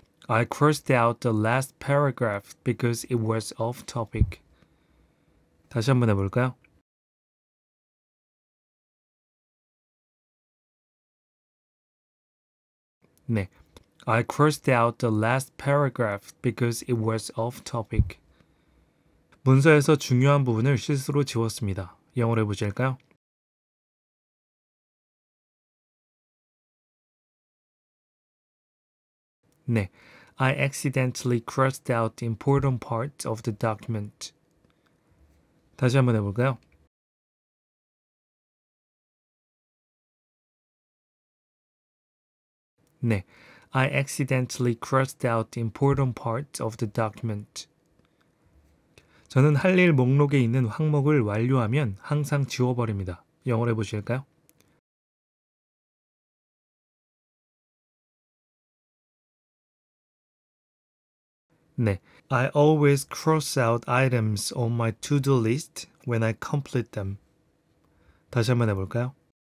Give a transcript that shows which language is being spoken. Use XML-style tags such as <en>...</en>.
<en>I crossed out the last paragraph because it was off topic.</en> <ko>다시 한번 해볼까요? 네.</ko> <en>I crossed out the last paragraph because it was off topic.</en> <ko>문서에서 중요한 부분을 실수로 지웠습니다. 영어로 해보실까요? 네.</ko> <en>I accidentally crossed out important parts of the document.</en> <ko>다시 한번 해볼까요?</ko> <en>I accidentally crossed out important parts of the document.</en> <ko>저는 할 일 목록에 있는 항목을 완료하면 항상 지워버립니다. 영어로 해보실까요?</ko> <en>I always cross out items on my to-do list when I complete them.</en> <ko>다시 한번 해볼까요?</ko>